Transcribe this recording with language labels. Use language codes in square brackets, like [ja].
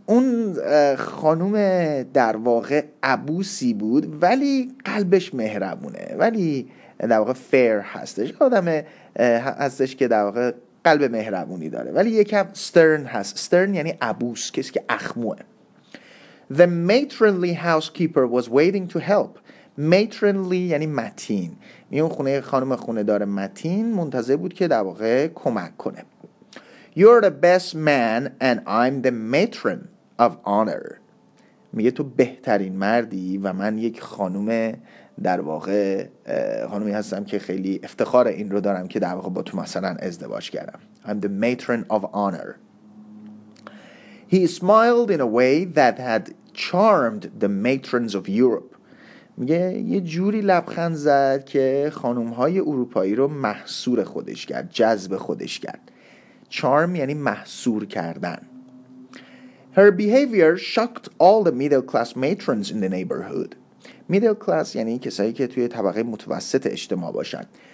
[fa] اون خانم در واقع عبوسی بود ولی قلبش مهربونه، ولی در واقع fair هستش، آدم هستش که در واقع قلب مهربونی داره، ولی یکم stern هست. stern یعنی عبوس، کسی که اخموه. [en] The matronly housekeeper was waiting to help. matronly [fa] یعنی متین. میون خونه خانم خونه داره متین منتظر بود که در واقع کمک کنه. [en] You're the best man and I'm the matron of honor. [fa] میگه تو بهترین مردی و من یک خانم در واقع خانمی هستم که خیلی افتخار این رو دارم که در واقع با تو مثلا ازدواج کردم. [en] I'm the matron of honor. He smiled in a way that had charmed the matrons of Europe. [fa] میگه یه جوری لبخند زد که خانم‌های اروپایی رو محصور خودش کرد، جذب خودش کرد. charm یعنی محصور کردن. [en] Her behavior shocked all the middle class matrons in the neighborhood. [fa] middle class یعنی کسایی که توی طبقه متوسط اجتماع باشن.